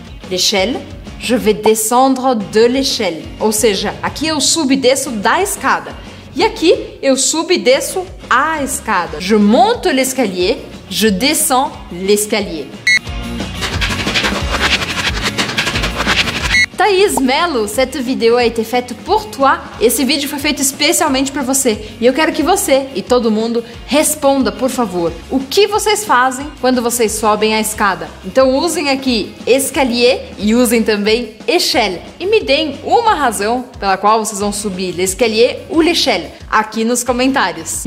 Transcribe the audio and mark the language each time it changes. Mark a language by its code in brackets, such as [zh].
[fr] L'échelle, je vais descendre de l'échelle. [pt] Ou seja, aqui eu subo e desço da escada. E aqui eu subo e desço a escada. [fr] Je monte l'escalier, je descends l'escalier. Thaís Mello, cette vidéo a été faite pour toi. [pt] Esse vídeo foi feito especialmente para você. E eu quero que você e todo mundo responda, por favor. O que vocês fazem quando vocês sobem a escada? Então usem aqui escalier e usem também échelle. E me deem uma razão pela qual vocês vão subir l'escalier ou l'échelle aqui nos comentários.